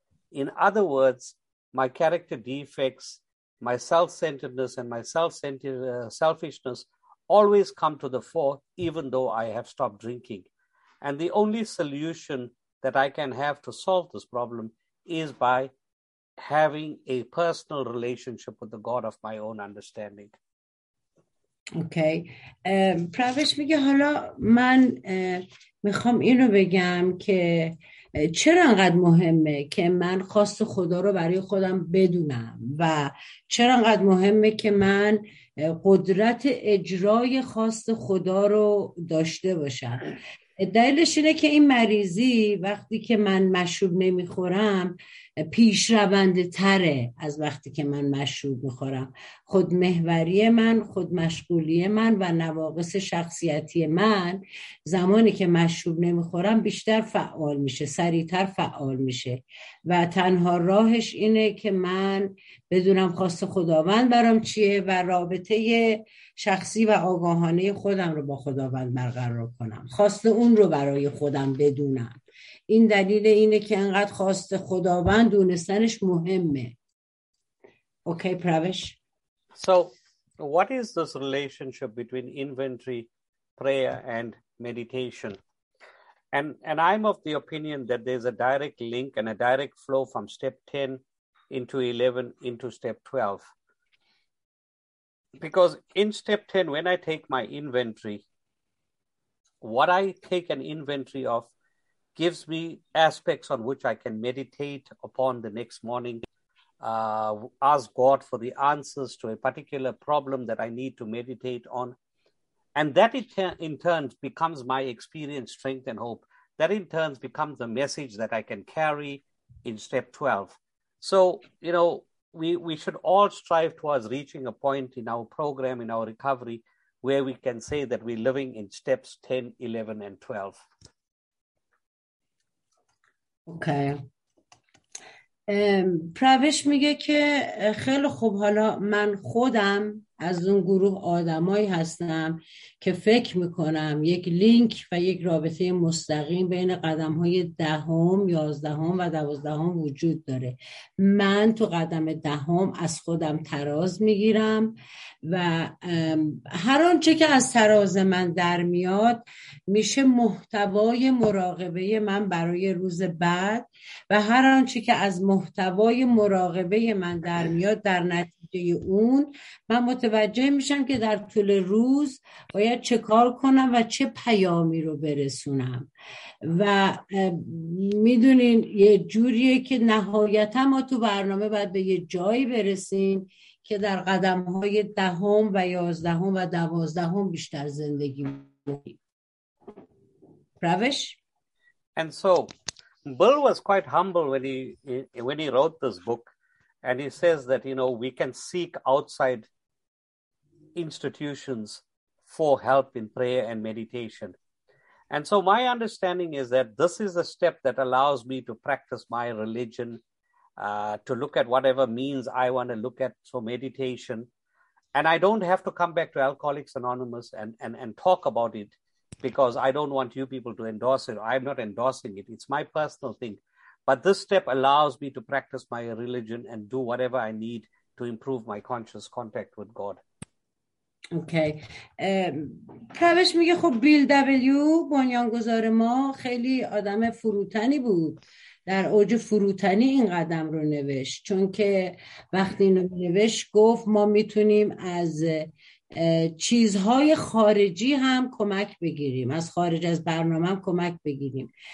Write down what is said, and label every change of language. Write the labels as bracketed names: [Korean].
[English] In other words, my character defects, my self-centeredness and my selfishness always come to the fore, even though I have stopped drinking. And the only solution that I can have to solve this problem is by having a personal relationship with the God of my own understanding. Okay. [Persian] پروش میگه حالا من میخوام اینو بگم که چرا انقدر مهمه که من خواست خدا رو برای خودم بدونم و چرا انقدر مهمه که من قدرت اجرای خواست خدا رو داشته باشم. دلیلش اینه که این مریضی وقتی که من مشروب نمیخورم پیشرونده تره از وقتی که من مشروب میخورم. خودمحوری من، خودمشغولی من و نواقص شخصیتی من زمانی که مشروب نمیخورم بیشتر فعال میشه، سریعتر فعال میشه و تنها راهش اینه که من بدونم خواست خداوند برام چیه و رابطه شخصی و آگاهانه خودم رو با خداوند برقرار کنم، خواست اون رو برای خودم بدونم. این دلیل اینه که انقدر خواست خداوند دونستنش مهمه. اوکی پروش. [English] So what is this relationship between inventory, prayer and meditation? And I'm of the opinion that there's a direct link and a direct flow from step 10 into 11, into step 12. Because in step 10, when I take my inventory, what I take an inventory of gives me aspects on which I can meditate upon the next morning, ask God for the answers to a particular problem that I need to meditate on. And that in turn becomes my experience, strength, and hope. That in turn becomes the message that I can carry in step 12. So, you know, we should all strive towards reaching a point in our program, in our recovery, where we can say that we're living in steps 10, 11, and 12. Okay. [Persian] پروش میگه که خیلی خوب، حالا من خودم از اون گروه آدمایی هستم که فکر میکنم یک لینک و یک رابطه مستقیم بین قدم های دهم، یازدهم و دوازدهم وجود داره. من تو قدم دهم از خودم تراز میگیرم و هر آنچه که از تراز من در میاد میشه محتوای مراقبه من برای روز بعد و هر آنچه که از محتوای مراقبه من در میاد در نتیجه اون من متوجه میشم که در طول روز باید چه کار کنم و چه پیامی رو برسونم. و میدونین یه جوریه که نهایتا ما تو برنامه باید به یه جایی برسیم که در قدم های دهم و یازدهم و دوازدهم بیشتر زندگی بکنیم. روش؟ [English] And so Bill was quite humble when he wrote this book, and he says that, you know, we can seek outside institutions for help in prayer and meditation. And so my understanding is that this is a step that allows me to practice my religion, to look at whatever means I want to look at for meditation. And I don't have to come back to Alcoholics Anonymous and talk about it, because I don't want you people to endorse it. I'm not endorsing it. It's my personal thing. But this step allows me to practice my religion and do whatever I need to improve my conscious contact with God. [Persian] اوکی. پروش میگه خب بیل دبلیو بنیانگذار ما خیلی آدم فروتنی بود، در اوج فروتنی این قدم رو نوشت، چون که وقتی اینو نوشت گفت ما میتونیم از چیزهای خارجی هم کمک بگیریم، از خارج از برنامه هم کمک بگیریم.